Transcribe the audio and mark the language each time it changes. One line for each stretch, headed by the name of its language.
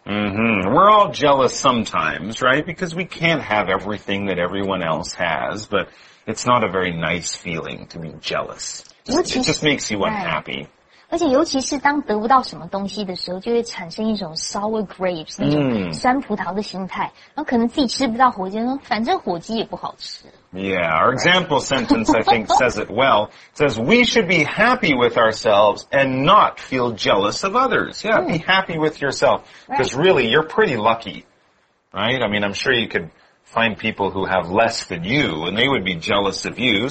English: We're all jealous sometimes, right? Because we can't have everything that everyone else has, but it's not a very nice feeling to be jealous. It just makes you unhappy.
Chinese: 而且尤其是当得不到什么东西的时候，就会产生一种 sour grapes, 那种酸葡萄的心态。然后可能自己吃不到火鸡，反正火鸡也不好吃。
English: Yeah, our example sentence, I think, says it well. It says, we should be happy with ourselves and not feel jealous of others. Yeah, be happy with yourself. Because really, you're pretty lucky, right? I mean, I'm sure you could find people who have less than you, and they would be jealous of you.